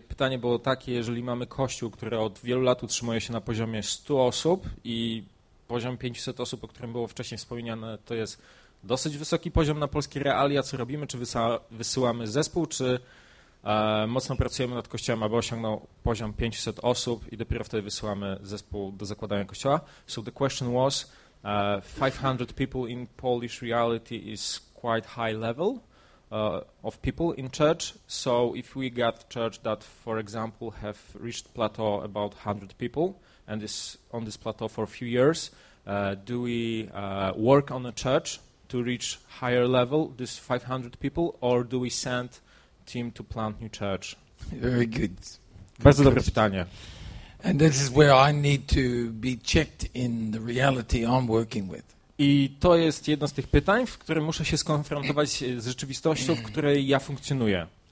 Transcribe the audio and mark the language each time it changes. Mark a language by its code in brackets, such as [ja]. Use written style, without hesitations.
[pl] Pytanie było takie, jeżeli mamy kościół, który od wielu lat utrzymuje się na poziomie 100 osób i poziom 500 osób, o którym było wcześniej wspomniane, to jest dosyć wysoki poziom na polskie realia, co robimy, czy wysyłamy zespół, czy mocno pracujemy nad kościołem, aby osiągnął poziom 500 osób i dopiero wtedy wysyłamy zespół do zakładania kościoła. [en] So the question was, 500 people in Polish reality is quite high level. Of people in church. So if we got church that, for example, have reached plateau about 100 people and is on this plateau for a few years, do we work on a church to reach higher level, this 500 people, or do we send team to plant new church? Very good. [pl] Bardzo dobre pytanie. [en] And this is where I need to be checked in the reality I'm working with. [pl] I to jest jedno z tych pytań, w którym muszę się skonfrontować z rzeczywistością, w której ja funkcjonuję.